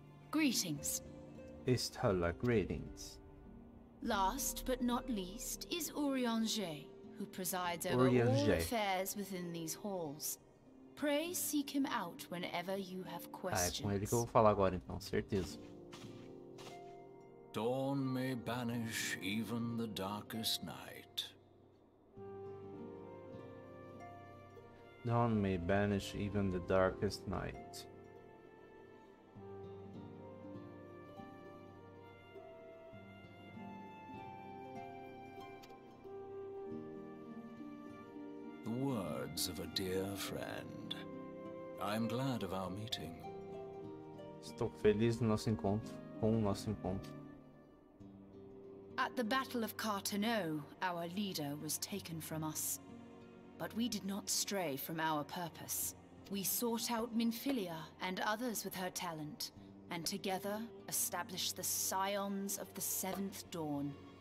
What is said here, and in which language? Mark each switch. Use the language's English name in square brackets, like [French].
[English] Greetings. Yastola, greetings. Last but not least is Orianger, who presides over Orianger. All affairs within these halls. Pray seek him out whenever you have questions. [Portuguese] É com ele que eu vou falar agora, então, certeza. [English] Dawn may banish even the darkest night. Dawn may banish even the darkest night. The words of a dear friend. I am glad of our meeting. [Portuguese] Estou feliz do nosso encontro, com o nosso encontro. [English] At the Battle of Cartonneau, our leader was taken from us. But we did not stray from our purpose. We sought out Minfilia and others with her talent, and together established the Scions of the Seventh Dawn.